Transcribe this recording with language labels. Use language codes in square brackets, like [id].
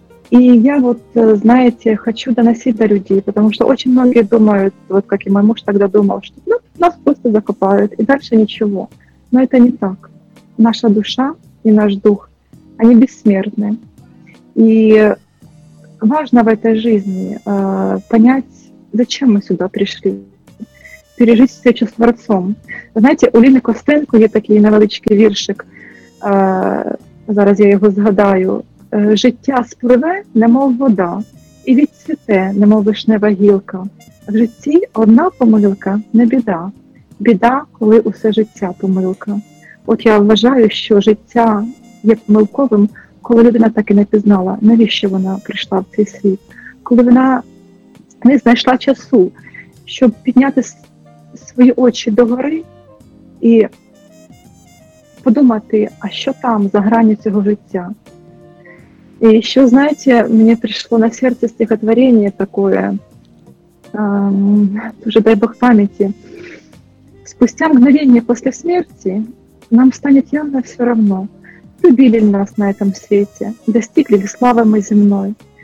[ru] И я вот, знаете, хочу доносить до людей, потому что очень многие думают, вот как и мой муж тогда думал, что ну, нас просто закопают, и дальше ничего. Но это не так. Наша душа и наш дух, они бессмертны. И важно в этой жизни понять, зачем мы сюда пришли, пережить встречу с Творцом. Знаете, у Лины Костенко есть такой [uk] невеличкий вершик, зараз [ru] я его [uk] згадаю: «Життя спливе, немов вода, і відцвіте, немов вишнева гілка. В житті одна помилка – не біда. Біда, коли усе життя – помилка». От я вважаю, що життя є помилковим, коли людина так і не пізнала, навіщо вона прийшла в цей світ. Коли вона не знайшла часу, щоб підняти свої очі догори і подумати, а що там, за грані цього життя. [ru] И еще, знаете, мне пришло на сердце стихотворение такое, тоже дай Бог памяти. «Спустя мгновение после смерти нам станет явно все равно, любили ли нас на этом свете, достигли ли славы мы земной.